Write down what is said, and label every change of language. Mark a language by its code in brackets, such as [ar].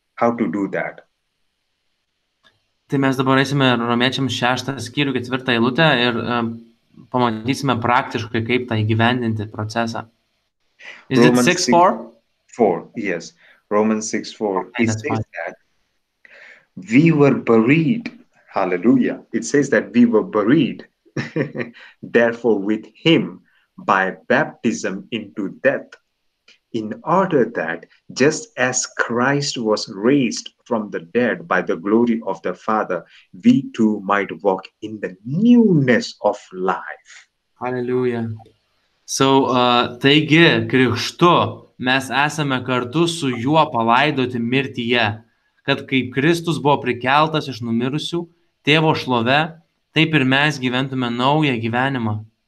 [en] How to do that? [lt] Tai mes dabar eisime Romiečiam 6 skyrių 4 eilutę ir pamatysime praktiškai kaip tą įgyvendinti procesą. [en] Is Romans it 6:4? 4, yes. Romans 6:4. It says that we were buried Hallelujah. It says that we were buried, therefore, with him by baptism into death, in order that just as Christ was raised from the dead by the glory of the Father, we too might walk in the newness of life. Hallelujah. So, [lt] taigi, krikštu mes esame kartu su juo palaidoti mirtyje, kad kaip Kristus buvo prikeltas iš numirusių, tėvo šlove, taip ir mes gyventume naują gyvenimą.